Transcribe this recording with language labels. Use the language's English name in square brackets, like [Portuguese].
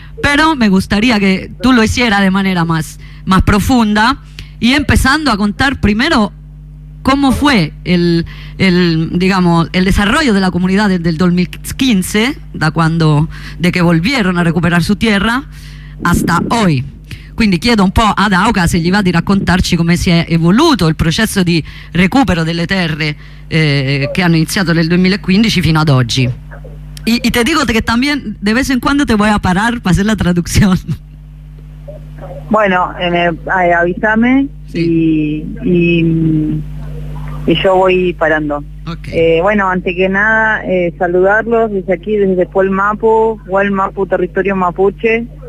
[Spanish] Pero me gustaría que tú lo hicieras de manera más profunda y empezando a contar primero cómo fue el desarrollo de la comunidad desde el 2015, de que volvieron a recuperar su tierra, hasta hoy. [Italian] Quindi chiedo un po' ad Auca se gli va di raccontarci come si è evoluto il processo di recupero delle terre che hanno iniziato nel 2015 fino ad oggi. [Spanish] Y te digo que también de vez en cuando te voy a parar para hacer la traducción. Bueno, avísame, sí. Y yo voy parando. Okay. Bueno, antes que nada, saludarlos desde aquí, desde Puel Mapu, Puel Mapu, territorio mapuche.